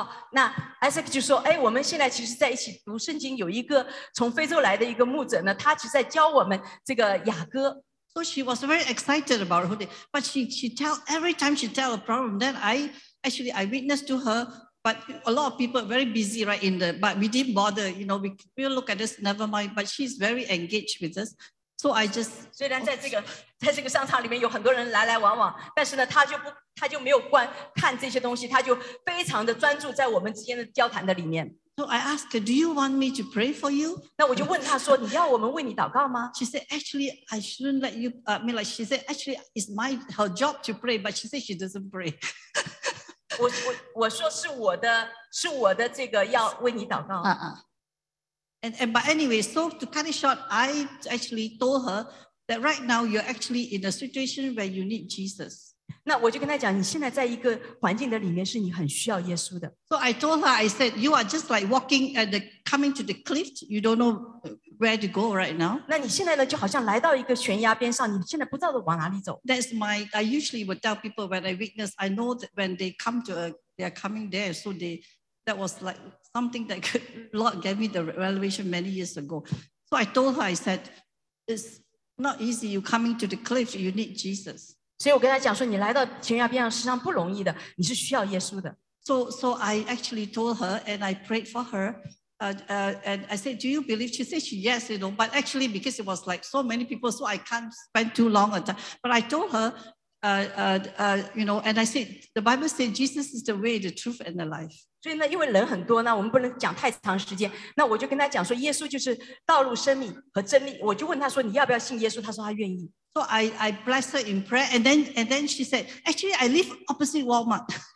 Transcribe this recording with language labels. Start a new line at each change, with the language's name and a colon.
Chinese: 那 Isaac 就说，哎，我们现在其实在一起读圣经，有一个从非洲来的一个牧者呢，他其实在教我们这个雅歌。
English: So she was very excited about her day, but she tell a problem. Then I witnessed to her, but a lot of people are very busy, right? But we didn't bother, we look at this, never mind. But she's very engaged with us. So I just
Chinese: 虽然在这个、oh. 在这个商场里面有很多人来来往往，但是呢，他就没有观看这些东西，他就非常的专注在我们之间的交谈的里面。
English: So I asked her, "Do you want me to pray for you?"
Chinese: 那我就问他说，你要我们为你祷告吗？
English: She said, "Actually, I shouldn't let you." She said, "Actually, it's her job to pray, but she said she doesn't pray."
Chinese: 我说是我的这个要为你祷告。
English: But anyway, so to cut it short, I actually told her that right now you're actually in a situation where you need Jesus.
Chinese: 那我就跟她讲，你现在在一个环境的里面，是你很需要耶稣的。
English: So I told her, I said, you are just like walking at the coming to the cliff. You don't know where to go right now.
Chinese: 那你现在呢，就好像来到一个悬崖边上，你现在不知道往哪里走。
English: That's my. I usually would tell people when I witness. I know that when they come to they are coming there. So that was like. Something that Lord gave me the revelation many years ago. So I told her, I said, it's not easy. You coming to the cliff, you need Jesus.
Chinese: 所以我跟她讲说，你来到悬崖边上实际上不容易的，你是需要耶稣的。
English: So I actually told her and I prayed for her. And I said, do you believe? She said, yes, but actually because it was like so many people, so I can't spend too long a time. But I told her, and I said, the Bible said, Jesus is the way, the truth, and the life.
Chinese: 所以呢，因为人很多呢，我们不能讲太长时间。那我就跟他讲说，耶稣就是道路、生命和真理。我就问他说，你要不要信耶稣？他说他愿意。
English: So I blessed her in prayer, and then she said, actually I live opposite Walmart.